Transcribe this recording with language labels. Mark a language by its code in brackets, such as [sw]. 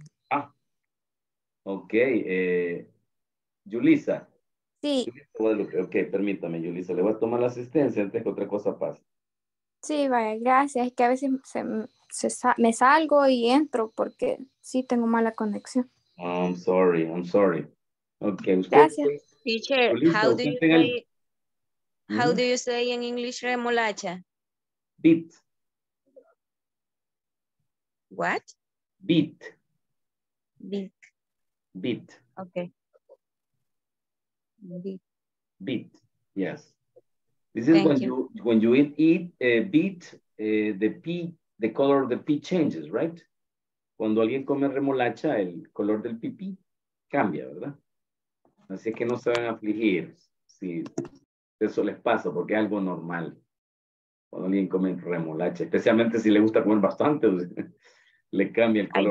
[es] Ah, ok. Yulisa. Sí. Ok, permítame, Yulisa, le voy a tomar la asistencia antes que otra cosa pase. Sí, vaya, gracias. Es que a veces me salgo y entro porque sí tengo mala conexión. [en] I'm sorry. Ok, usted. [es] Gracias. [en] Teacher, how do you say in English remolacha? Beet. What? Beet. Beet. Beet. Okay. Beet. Beet. Yes. This is when you eat beet, the color of the pea changes, right? [es] Cuando alguien come remolacha, el color del pipí cambia, ¿verdad? Así que no se van a afligir si eso les pasa, porque es algo normal. Cuando alguien come remolacha, especialmente si le gusta comer bastante, le cambia el color.